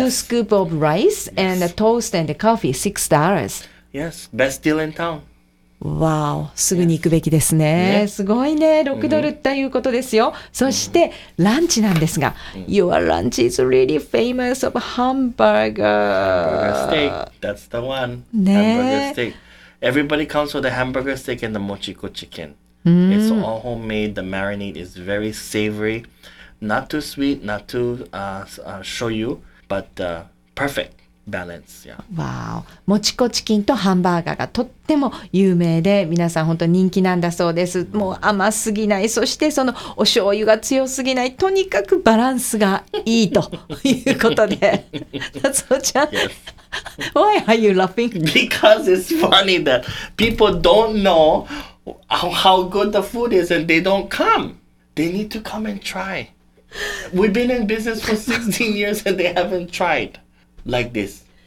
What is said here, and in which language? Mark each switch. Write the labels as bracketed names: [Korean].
[English] 2 scoops of rice, yes, and a toast and a coffee, $6. Yes, best deal in town. [Japanese] Wow, すぐに行くべきですね。Yes. すごいね、6ドルっていうことですよ。 [English] Mm-hmm. [Japanese] そして、 [English] mm-hmm. [Japanese] ランチなんですが、 [English] mm-hmm. Your lunch is really famous of hamburger. Hamburger steak, that's the one. [Japanese] ね、 [English] hamburger steak. Everybody comes for the hamburger steak and the mochiko chicken.、Mm-hmm. It's all homemade, the marinade is very savory. Not too sweet, not too shoyu, but perfect balance. Yeah. [Japanese] Wow. Mochiko chicken とハンバーガーがとっても有名で、皆さん本当人気なんだそうです。もう甘すぎない、そしてそのお醤油が強すぎない、とにかくバランスがいいということで。夏子ちゃん。 [English] Yes. Why are you laughing? Because it's funny that people don't know how good the food is and they don't come. They need to come and try. We've been in business for 16 years and they haven't tried like this.